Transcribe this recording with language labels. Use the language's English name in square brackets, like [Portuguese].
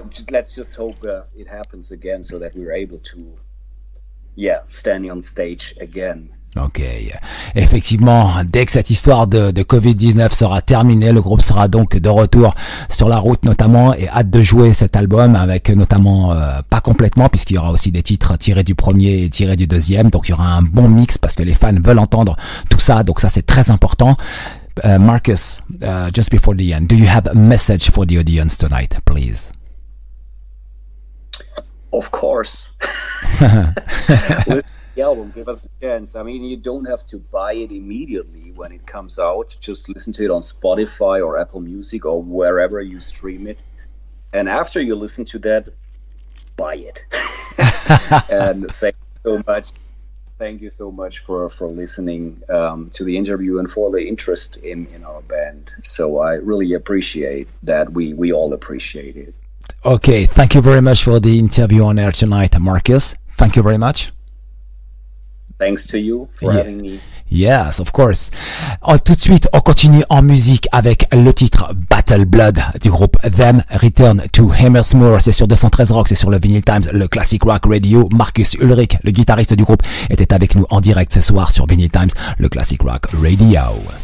[English] Let's just hope it happens again so that we're able to stand on stage again. [French] Ok, effectivement, dès que cette histoire de Covid-19 sera terminée, le groupe sera donc de retour sur la route notamment et hâte de jouer cet album avec notamment, pas complètement puisqu'il y aura aussi des titres tirés du premier et tirés du deuxième, donc il y aura un bon mix parce que les fans veulent entendre tout ça, donc ça c'est très important. [English] Markus, just before the end, do you have a message for the audience tonight, please? Of course. Album, give us a chance. I mean, you don't have to buy it immediately when it comes out. Just listen to it on Spotify or Apple Music or wherever you stream it. And after you listen to that, buy it. And thank you so much for listening to the interview and for the interest in our band. So I really appreciate that. We all appreciate it. Okay, thank you very much for the interview on air tonight, Markus. Thank you very much. thanks to you for having me. Yes, of course. [French] Tout de suite, on continue en musique avec le titre Battle Blood du groupe Them, Return to Hemmersmoor. C'est sur 213 Rock, c'est sur le Vinyl Times, le Classic Rock Radio. Markus Ullrich, le guitariste du groupe, était avec nous en direct ce soir sur Vinyl Times, le Classic Rock Radio.